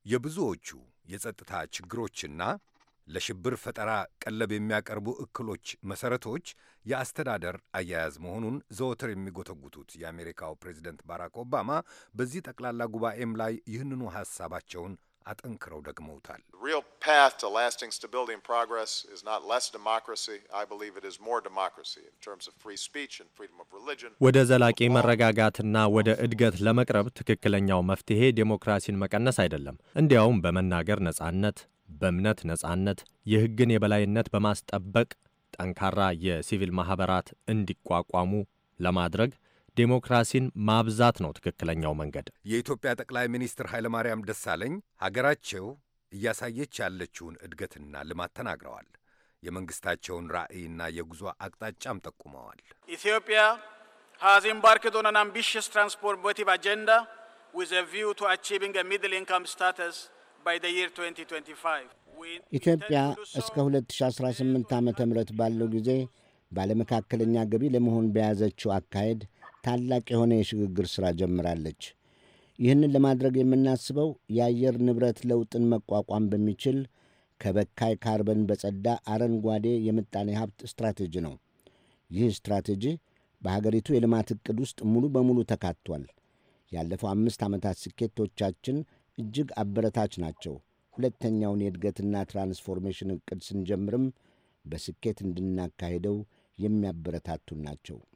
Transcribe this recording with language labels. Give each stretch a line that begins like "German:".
Amharic: የብዙዎቹ የጸጥታ ችግሮችና ለሽብር ፈጠራ ቀለብ የሚያቀርቡ እክሎች መሠረቶች የአስተዳደር አያያዝ መሆኑን ዘወትር የሚጎተጉቱት የአሜሪካው ፕሬዚደንት ባራክ ኦባማ በዚህ ጠቅላላ ጉባኤም ላይ ይህንኑ ሐሳባቸውን አጠንክረው ደግመውታል።
English: Real path to lasting stability and progress is not less democracy. I believe it is more democracy in terms of free speech and freedom of religion.
Amharic: ወደ ዘላቂ መረጋጋትና ወደ እድገት ለመቅረብ ትክክለኛው መፍትሄ ዴሞክራሲን መቀነስ አይደለም። እንዲያውም በመናገር ነጻነት፣ በእምነት ነጻነት፣ የሕግን የበላይነት በማስጠበቅ ጠንካራ የሲቪል ማህበራት እንዲቋቋሙ ለማድረግ ዴሞክራሲን ማብዛት ነው ትክክለኛው መንገድ። የኢትዮጵያ ጠቅላይ ሚኒስትር ኃይለማርያም ደሳለኝ ሀገራቸው እያሳየች ያለችውን እድገትና ልማት ተናግረዋል። የመንግስታቸውን ራዕይና የጉዞ አቅጣጫም ጠቁመዋል።
English: ኢትዮጵያ has embarked on an ambitious transformative agenda with a view to achieving a middle income status by the year 2025.
Amharic: ኢትዮጵያ እስከ 2018 ዓመተ ምህረት ባለው ጊዜ ባለመካከለኛ ገቢ ለመሆን በያዘችው አካሄድ ታላቅ የሆነ የሽግግር ሥራ ጀምራለች። ይህንን ለማድረግ የምናስበው የአየር ንብረት ለውጥን መቋቋም በሚችል ከበካይ ካርበን በጸዳ አረንጓዴ የምጣኔ ሀብት ስትራቴጂ ነው። ይህ ስትራቴጂ በሀገሪቱ የልማት እቅድ ውስጥ ሙሉ በሙሉ ተካቷል። ያለፈው አምስት ዓመታት ስኬቶቻችን እጅግ አበረታች ናቸው። ሁለተኛውን የእድገትና ትራንስፎርሜሽን እቅድ ስንጀምርም በስኬት እንድናካሄደው የሚያበረታቱን ናቸው።